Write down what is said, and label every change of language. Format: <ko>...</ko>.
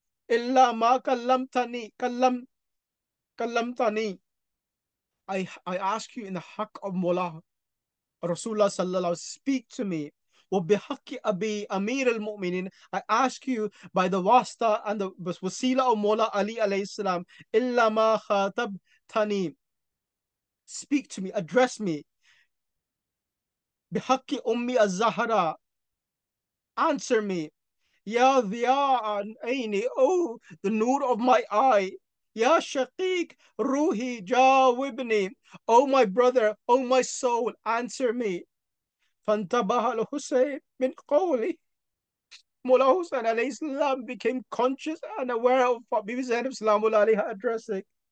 <ar>إِلَّا مَا كَلَّمْتَنِي كَلَّمْتَنِي</ar> <en>I ask you in the haq of Mullah Rasulullah sallallahu alayhi wa sallam, speak to me.</en> <ar>وَبِحَقِّ أَبِي أَمِيرِ الْمُؤْمِنِينَ</ar> <en>I ask you by the wasta and the wasila of Mullah Ali alayhi salam,</en> <ar>إِلَّا مَا خَاتَبْتَنِي</ar> <en>Speak to me, address me.</en> <ar>بِحَقِّ أُمِّي الزَّهْرَى</ar> <en>Answer me.</en> <ar>يَا ذِيَاءَ عَيْنِي</ar> <en>Oh, the nur of my eye.</en> <ar>Ya Shaqiq Ruhi Jawibni,</ar> <en>O my brother, O my soul, answer me.</en> <ar>Fantabaha al Hussein min Qawli.</ar> <en>Mullah Hussain alayhi salam became conscious and aware of what Bibi Zainab Salamullah alayha addressing.</en>